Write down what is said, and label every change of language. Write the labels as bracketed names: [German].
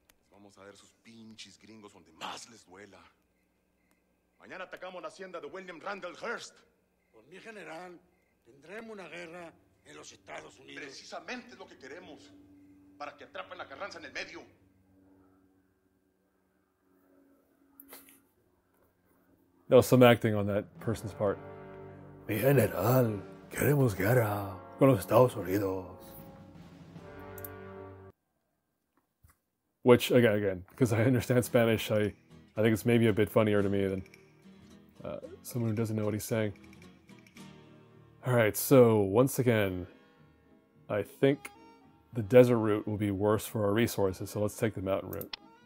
[Spanish] Vamos a ver sus pinches gringos donde más les duela. Mañana atacamos la hacienda de William Randall Hearst. Por mi general, tendremos una guerra en los Estados Unidos. Precisamente lo que queremos, para que atrapen la Carranza en el medio. [English] There was some acting on that person's part. [Spanish] Mi general, queremos guerra con los Estados Unidos. [English] Which, again, because I understand Spanish, I think it's maybe a bit funnier to me than someone who doesn't know what he's saying. Alright, so once again, I think the desert route will be worse for our resources, so let's take the mountain route.